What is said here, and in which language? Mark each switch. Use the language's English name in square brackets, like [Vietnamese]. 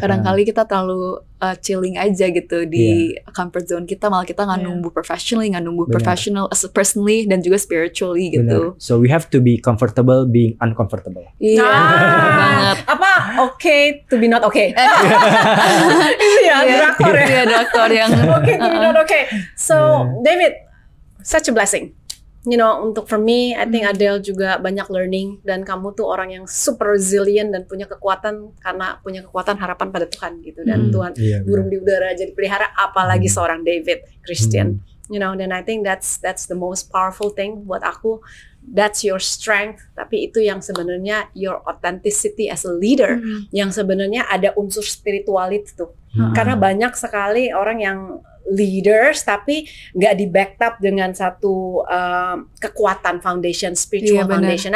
[Indonesian] Kadang-kali kita terlalu chilling aja gitu di comfort zone kita, malah kita nggak nunggu professionally, nggak nunggu [English] professional as personally [Indonesian] dan juga spiritually gitu. [English] So we have to be comfortable being uncomfortable. Iya. Yeah. [Indonesian] Apa [English] okay to be not okay? [Indonesian] Iya. Drakor ya. Iya, drakor yang [English] okay to be not okay. So David, such a blessing. You know, [Indonesian] untuk [English] for me, I think [Indonesian] Adele juga banyak learning, dan kamu tuh orang yang [English] super resilient [Indonesian] dan punya kekuatan, karena punya kekuatan harapan pada Tuhan gitu, dan Tuhan burung di udara jadi pelihara, apalagi seorang David Christian. [English] You know, then I think that's the most powerful thing [Indonesian] buat aku. [English] That's your strength, [Indonesian] tapi itu yang sebenarnya [English] your authenticity as a leader, [Indonesian] yang sebenarnya ada unsur [English] spirituality tuh. [Indonesian] Karena banyak sekali orang yang leaders tapi gak di backed up dengan satu kekuatan foundation, [English] spiritual foundation.